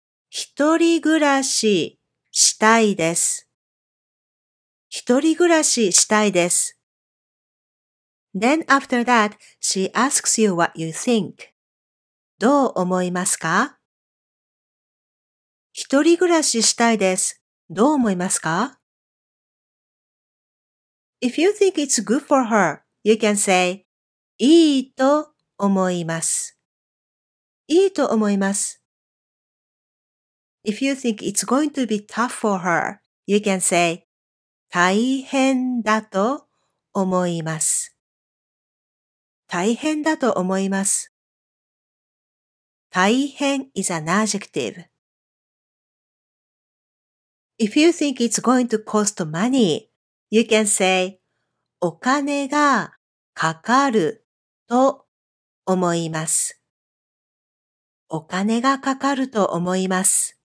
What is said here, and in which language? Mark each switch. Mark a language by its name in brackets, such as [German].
[Japanese] 一人暮らししたいです。一人暮らししたいです。 [English] Then after that, she asks you what you think. [Japanese] どう思いますか？一人暮らししたいです。どう思いますか？ [English] If you think it's good for her, you can say, [Japanese] いいと思います。いいと思います。 [English] If you think it's going to be tough for her, you can say [Japanese] 大変だと思います。大変だと思います。大変 [English] is an adjective. If you think it's going to cost money, you can say [Japanese] お金がかかると思います。お金がかかると思います。